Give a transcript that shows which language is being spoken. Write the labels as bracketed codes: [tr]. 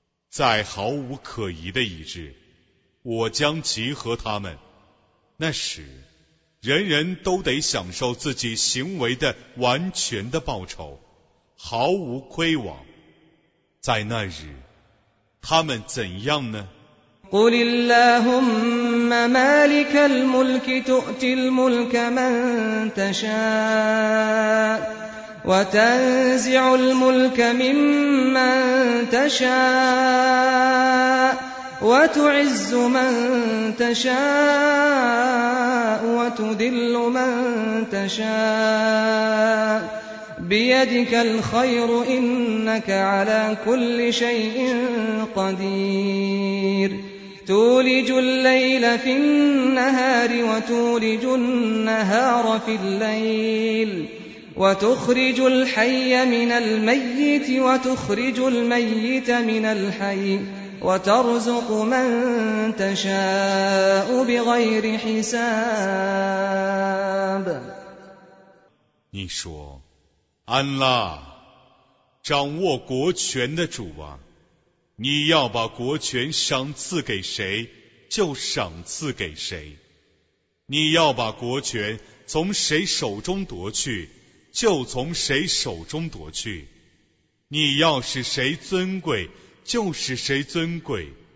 [zh] 在毫无可疑的一日，我将集合他们，那时人人都得享受自己行为的完全的报酬，毫无亏枉。在那日他们怎样呢？ [ar] قل اللهم مالك الملك تؤتي الملك من تشاء وتنزع الملك ممن تشاء وتعز من تشاء وتذل من تشاء بيدك الخير إنك على كل شيء قدير تولج الليل في النهار وتولج النهار في الليل وتخرج الحي من الميت وتخرج الميت من الحي وترزق من تشاء بغير حساب [zh] 你说安拉掌握国权的主啊，你要把国权赏赐给谁就赏赐给谁，你要把国权从谁手中夺去就从谁手中夺去，你要使谁尊贵就使谁尊贵，